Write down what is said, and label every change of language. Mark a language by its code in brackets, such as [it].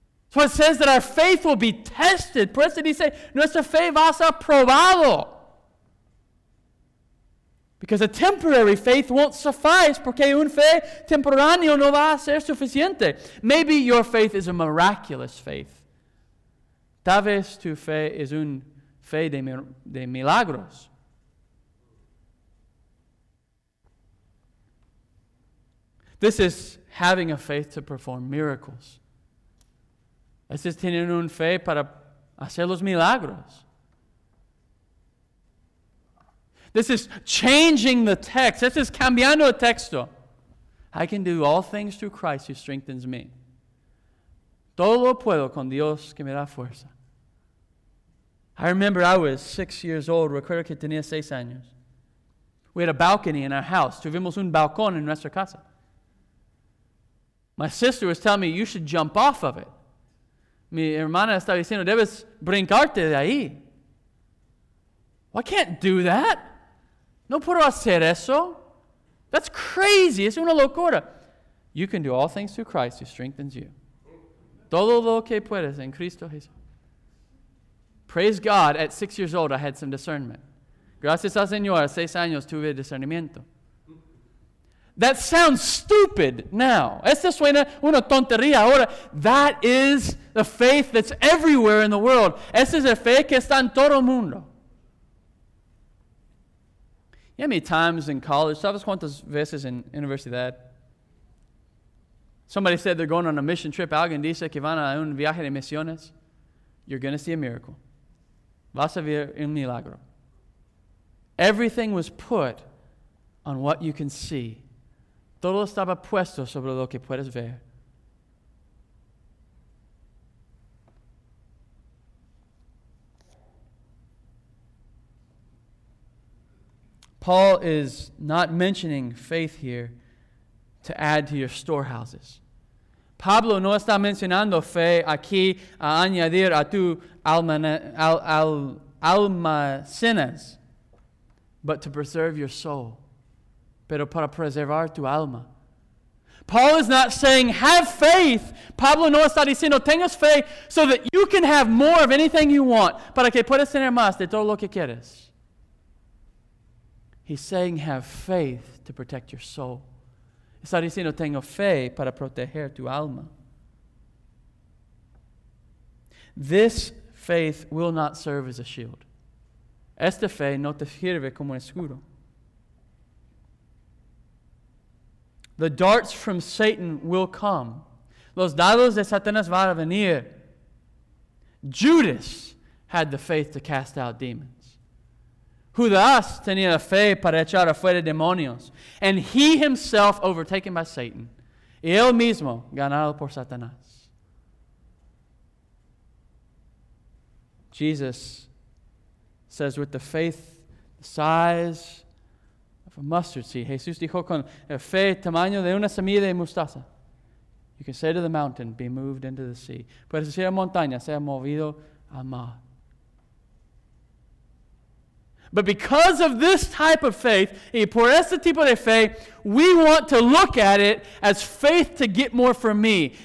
[en] So it says that our faith will be tested. [es] Por eso dice, nuestra fe va a ser probado. [en] Because a temporary faith won't suffice. [es] Porque un fe temporáneo no va a ser suficiente. [en] Maybe your faith is a miraculous faith. [es] Tal vez tu fe es un fe de milagros. [en] This is having a faith to perform miracles. [es] Este es tener un fe para hacer los milagros. [en] This is changing the text. This is [es] cambiando el texto. [en] I can do all things through Christ who strengthens me. [es] Todo lo puedo con Dios que me da fuerza. [en] I remember I was 6 years old. [es] Recuerdo que tenía 6 años. [en] We had a balcony in our house. [es] Tuvimos un balcón en nuestra casa. [en] My sister was telling me, you should jump off of it. [es] Mi hermana estaba diciendo, debes brincarte de ahí. [en] Well, I can't do that. [es] No puedo hacer eso. [en] That's crazy. [es] Es una locura. [en] You can do all things through Christ who strengthens you. [es] Todo lo que puedes en Cristo Jesús. [en] Praise God, at 6 years old, I had some discernment. [es] Gracias al Señor, a 6 años tuve discernimiento. [en] That sounds stupid now. [es] Esto suena una tontería ahora. [en] That is the faith that's everywhere in the world. [es] Esa es la fe que está en todo el mundo. [en] You know how many times in college, [es] ¿sabes cuántas veces en universidad? [en] Somebody said they're going on a mission trip. [es] Alguien dice que van a un viaje de misiones. [en] You're going to see a miracle. [es] Vas a ver un milagro. [en] Everything was put on what you can see. [es] Todo estaba puesto sobre lo que puedes ver. [en] Paul is not mentioning faith here to add to your storehouses. [es] Pablo no está mencionando fe aquí a añadir a tu almacenas, [en] but to preserve your soul. [es] Pero para preservar tu alma. [en] Paul is not saying, have faith. [es] Pablo no está diciendo, tengas fe [en] so that you can have more of anything you want. [es] Para que puedas tener más de todo lo que quieres. [en] He's saying, have faith to protect your soul. [es] Está diciendo, tengo fe para proteger tu alma. [en] This faith will not serve as a shield. [es] Esta fe no te sirve como escudo. [en] The darts from Satan will come. [es] Los dados de Satanás van a venir. [en] Judas had the faith to cast out demons. [es] Judas tenía la fe para echar afuera demonios. [en] And he himself overtaken by Satan. [es] Y él mismo ganado por Satanás. [en] Jesus says with the faith the size of a mustard seed. [es] Jesús dijo con la fe tamaño de una semilla de mostaza. [en] You can say to the mountain, be moved into the sea. [es] Puedes decir a montaña, sea movido a mar. [en] But because of this type of faith, [es] y por este tipo de fe, [en] we want to look at it as faith to get more from me.